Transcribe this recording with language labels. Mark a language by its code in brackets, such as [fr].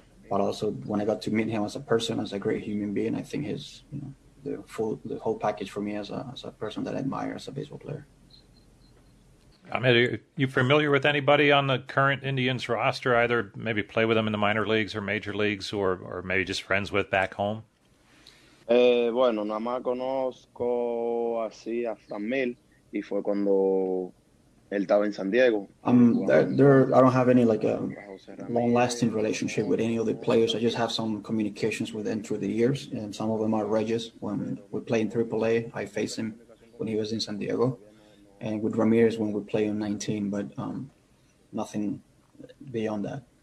[en] But also when I got to meet him as a person, as a great human being, I think he's, you know, the whole package for me as a person that I admire as a baseball player. Are you familiar with anybody on the current Indians roster, either maybe play with them in the minor leagues or major leagues, or maybe just friends with back home? [es] Bueno, nada más conozco así a Framil, y fue cuando él estaba en San Diego. [en] I don't have any a long-lasting relationship with any of the players. I just have some communications with them through the years, and some of them are Regis. When we play in AAA, I face him when he was in San Diego. And with Ramirez when we play on 19, but nothing beyond that.